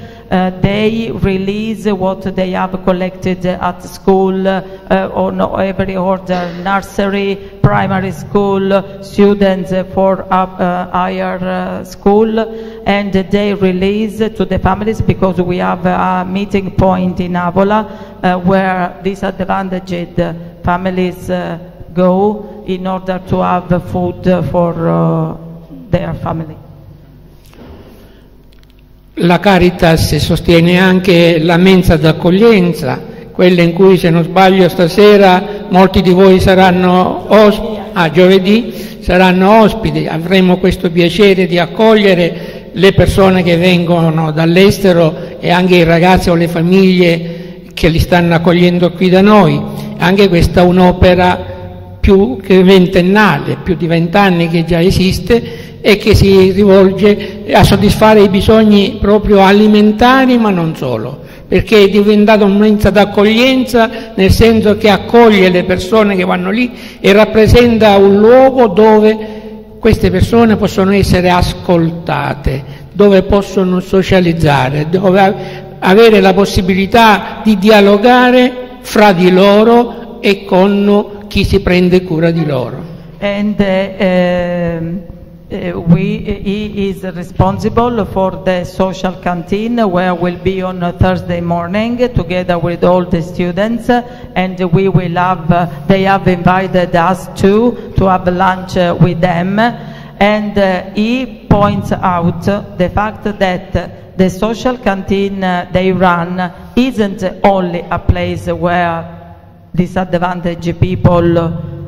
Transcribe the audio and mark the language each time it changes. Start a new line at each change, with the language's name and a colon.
English: they release what they have collected at school, on every order, nursery, primary school, students for higher school, and they release to the families, because we have a meeting point in Avola where disadvantaged families go in order to have food for their family.
Italian: La Caritas sostiene anche la mensa d'accoglienza, quella in cui, se non sbaglio, stasera molti di voi saranno giovedì saranno ospiti. Avremo questo piacere di accogliere le persone che vengono dall'estero e anche i ragazzi o le famiglie che li stanno accogliendo qui da noi. Anche questa è un'opera più che ventennale, più di 20 anni che già esiste, e che si rivolge a soddisfare i bisogni proprio alimentari, ma non solo, perché è diventata una mensa d'accoglienza, nel senso che accoglie le persone che vanno lì e rappresenta un luogo dove queste persone possono essere ascoltate, dove possono socializzare, dove avere la possibilità di dialogare fra di loro e con chi si prende cura di loro.
English: He is responsible for the social canteen, where we'll be on a Thursday morning together with all the students, and we will have they have invited us to have lunch with them, and he points out the fact that the social canteen they run isn't only a place where disadvantaged people